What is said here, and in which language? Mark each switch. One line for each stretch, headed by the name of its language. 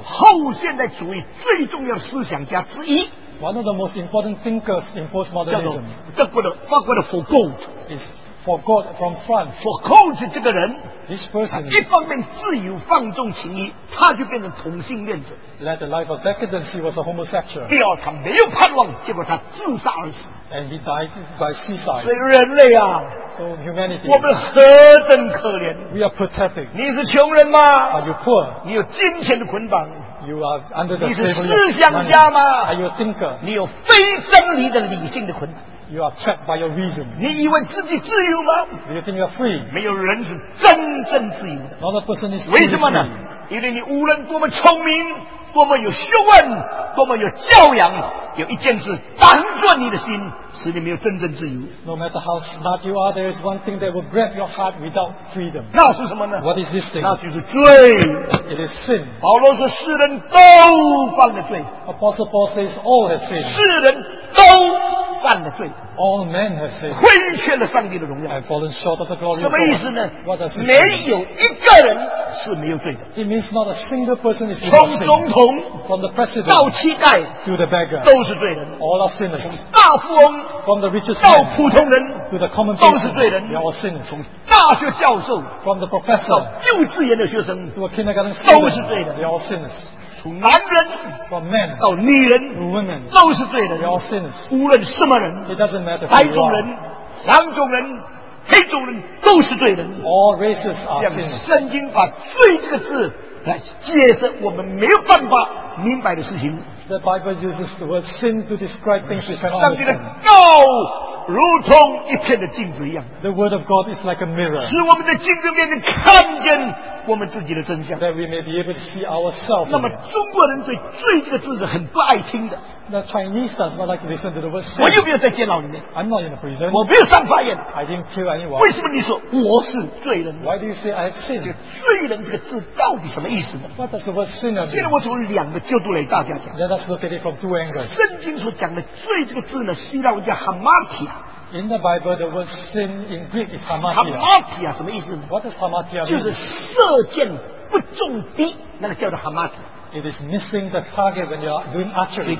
Chinese: 后现代主义最重要的思想家之一
English: ，One of the most important thinkers in postmodernism,
Chinese: 叫做德国的法国的福柯。
English: Is for God from France.
Chinese: 我控制这个人
English: ，this person，
Chinese: 一方面自由放纵情欲，他就变成同性恋者。
English: Led the life of decadence. He was a homosexual.
Chinese: 第二，他没有盼望，结果他自杀而死。
English: And he died by suicide.
Chinese: 所以人类啊
English: ，so humanity，
Chinese: 我们何等可怜。
English: We are pathetic.
Chinese: 你是穷人吗
English: ？Are you poor？
Chinese: 你有金钱的捆绑。
English: You are under the
Chinese: 你是思想家吗
English: ？Are you a thinker？
Chinese: 你有非真理的理性的捆绑。
English: You are trapped by your reason.
Chinese: 你以为自己自由吗
English: ？Do you think you're free？
Chinese: 没有人是真正自由的。
English: Not a person is free.
Chinese: 为什么呢？因为你无论多么聪明，多么有学问，多么有教养，有一件事挡住你的心，使你没有真正自由。
English: No matter how smart you are, there is one thing that will grab your heart without freedom.
Chinese: 那是什么呢
English: ？What is this thing？
Chinese: 那就是罪。
English: It is sin.
Chinese: 保罗说，世人都犯了罪。
English: Apostle Paul says all have sinned.
Chinese: 世人都犯了罪。
English: All men have sinned.
Chinese: 亏缺了上帝的荣耀。
English: I've fallen short of the glory of God.
Chinese: 什么意思呢
English: ？What does it mean？
Chinese: 没有一个人是没有罪的。
English: It means not a single person is innocent.
Chinese: 从总统
English: from the president
Chinese: 到乞丐
English: to the beggar
Chinese: 都是罪人。
English: All are sinners.
Chinese: 从大富翁
English: from the richest
Chinese: 到普通人
English: to the common people
Chinese: 都是罪人。
English: They are all sinners.
Chinese: 从大学教授
English: from the professor
Chinese: 到幼稚园的学生
English: to a kindergarten student
Chinese: 都是罪人。
English: They are all sinners.
Chinese: 从男人
English: from men
Chinese: 到女人
English: to women
Chinese: 都是罪人
English: they are sinners
Chinese: 无论什么人
English: it doesn't matter
Chinese: 白种人黄种人黑种人都是罪人
English: all races are sinners
Chinese: 像圣经把罪这个字来解释我们没有办法明白的事情
English: the Bible uses the word sin to describe things we cannot understand
Chinese: 上帝的道如同一片的镜子一样
English: the word of God is like a mirror
Chinese: 使我们的镜子面前看见我们自己的真相
English: that we may be able to see ourselves
Chinese: 那么中国人对罪这个字是很不爱听的
English: the Chinese does not like to listen to the word sin
Chinese: 我又没有在监牢里面
English: I'm not in a prison
Chinese: 我没有上法院
English: I didn't kill anyone
Chinese: 为什么你说我是罪人
English: why do you say I have sinned
Chinese: 罪人这个字到底什么意思呢
English: what does the word sin mean
Chinese: 现在我从两个角度来大家讲
English: let us look at it from two angles
Chinese: 圣经所讲的罪这个字呢希腊文叫 hamartia
English: In the Bible, the word sin in Greek is hamartia.
Chinese: Hamartia 什么意思
English: ？What does hamartia mean?
Chinese: 就是射箭不中敌，那个叫做 hamartia.
English: It is missing the target when you are doing archery.